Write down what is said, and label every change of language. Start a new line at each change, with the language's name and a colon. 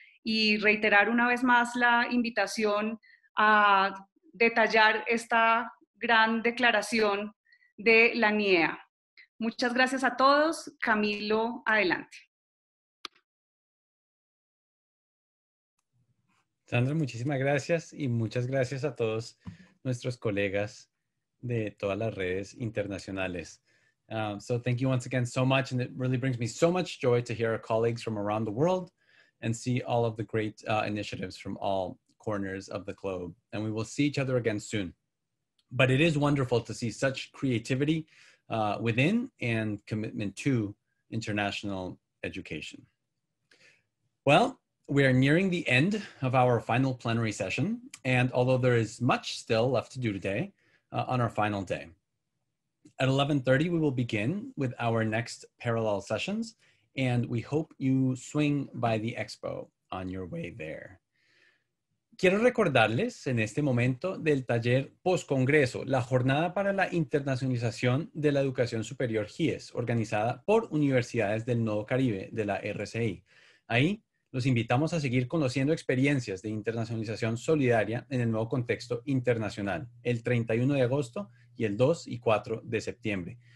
Spanish: Y reiterar una vez más la invitación a detallar esta gran declaración de la NIEA. Muchas gracias a todos. Camilo, adelante. Sandra, muchísimas gracias y muchas gracias a todos nuestros colegas de todas las redes internacionales.
English: So thank you once again so much, and it really brings me so much joy to hear our colleagues from around the world and see all of the great initiatives from all corners of the globe. And we will see each other again soon. But it is wonderful to see such creativity within and commitment to international education. Well, we are nearing the end of our final plenary session, and although there is much still left to do today, on our final day. At 11:30, we will begin with our next parallel sessions, and we hope you swing by the expo on your way there.
Spanish: Quiero recordarles en este momento del taller post-congreso, la Jornada para la Internacionalización de la Educación Superior GIES, organizada por Universidades del Nodo Caribe de la RCI. Ahí, los invitamos a seguir conociendo experiencias de internacionalización solidaria en el nuevo contexto internacional, el 31 de agosto y el 2 y 4 de septiembre.